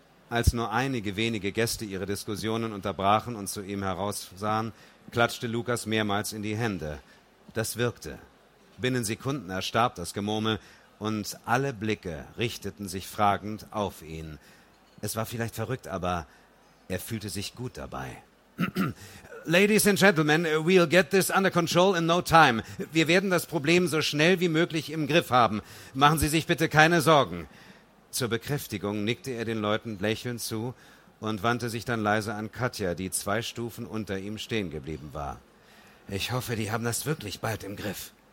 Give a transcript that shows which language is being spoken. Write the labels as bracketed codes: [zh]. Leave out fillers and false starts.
[de] Als nur einige wenige Gäste ihre Diskussionen unterbrachen und zu ihm heraussahen, klatschte Lukas mehrmals in die Hände. Das wirkte. Binnen Sekunden erstarb das Gemurmel und alle Blicke richteten sich fragend auf ihn. Es war vielleicht verrückt, aber er fühlte sich gut dabei. [en] »Ladies and Gentlemen, we'll get this under control in no time. [de] Wir werden das Problem so schnell wie möglich im Griff haben. Machen Sie sich bitte keine Sorgen.« Zur Bekräftigung nickte er den Leuten lächelnd zu und wandte sich dann leise an Katja, die zwei Stufen unter ihm stehen geblieben war. Ich hoffe, die haben das wirklich bald im Griff.